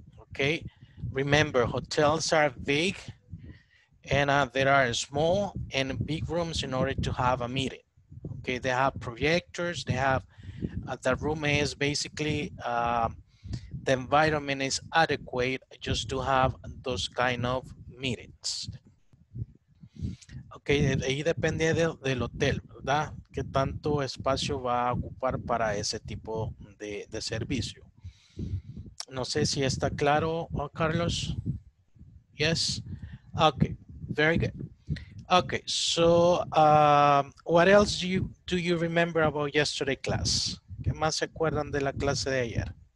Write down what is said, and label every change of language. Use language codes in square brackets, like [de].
[en] Okay, remember hotels are big and there are small and big rooms in order to have a meeting. Okay, they have projectors, they have, the room is basically, the environment is adequate just to have those kind of meetings. Okay, [es] ahí depende del hotel, ¿verdad? ¿verdad? ¿Qué tanto espacio va a ocupar para ese tipo de servicio? No sé si está claro, Carlos. [en] Yes. Okay. Very good. Okay. So, what else do you remember about yesterday class? [es] ¿Qué más se acuerdan de la clase de ayer?